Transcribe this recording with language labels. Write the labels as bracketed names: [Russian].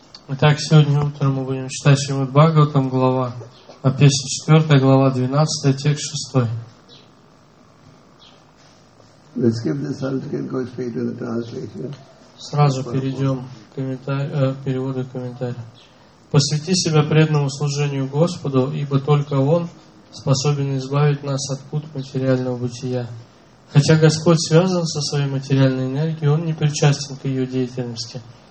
[Russian] Итак, сегодня утром мы будем читать Шримад Бхагаватам, глава, а песня 4, глава 12, текст 6. [English] Let's give the Sanskrit, go straight to the translation. [Russian] Сразу перейдем к переводу комментария. Посвяти себя преданному служению Господу, ибо только Он способен избавить нас от пут материального бытия. Хотя Господь связан со своей материальной энергией, Он не причастен к ее деятельности.